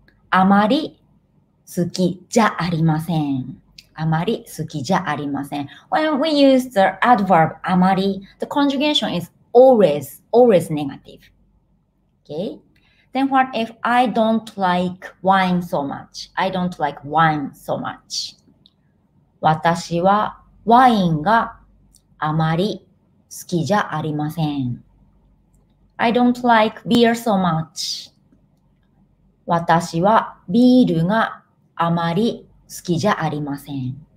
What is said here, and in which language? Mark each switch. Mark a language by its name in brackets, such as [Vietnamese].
[Japanese] あまり好きじゃありません。あまり好きじゃありません。 [English] When we use the adverb あまり, the conjugation is always, always negative. Okay? Then what if I don't like wine so much? I don't like wine so much. [Japanese] 私はワインがあまり好きじゃありません。 [English] I don't like beer so much. [Japanese] 私はビールがあまり好きじゃありません。